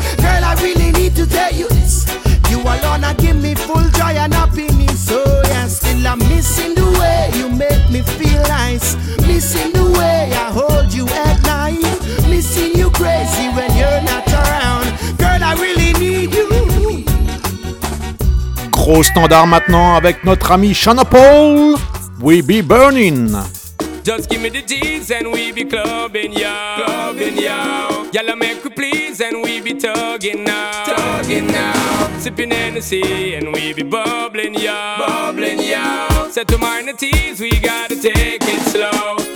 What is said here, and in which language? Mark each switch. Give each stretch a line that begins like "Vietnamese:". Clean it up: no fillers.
English: Girl, I really need to tell you this. You alone are giving me full joy and happiness, oh yeah. Still I'm missing the way you make me feel nice. Missing the way I hold you at night. Missing you crazy when you're not around. Girl, I really need you.
French: Gros standard maintenant avec notre ami Shana Paul.
English: We be burning. Just give me the G's and we be clubbing, yo. Clubbing, yo. Y'all a make we please and we be tugging now. Tugging now. Sipping Hennessy and we be bubbling, yo. Bubbling, yo. Set to minor T's, we gotta take it slow.